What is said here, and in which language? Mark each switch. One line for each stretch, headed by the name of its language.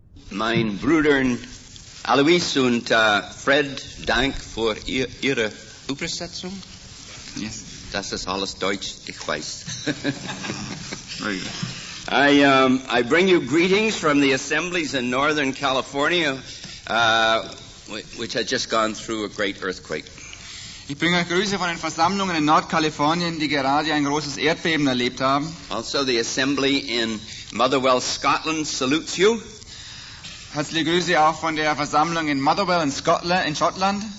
German: Mein Brüdern Alois und Fred, Dank für Ihre Übersetzung.
English: Yes.
German: Das ist alles Deutsch, ich weiß.
English: Very good. I bring you greetings from the assemblies in Northern California, which had just gone through a great earthquake.
German: Ich bringe euch Grüße von den Versammlungen in Nordkalifornien, die gerade ein großes Erdbeben erlebt haben.
English: Also the assembly in Motherwell, Scotland salutes you.
German: Herzliche Grüße auch von der Versammlung in Motherwell in Scotland, in Schottland.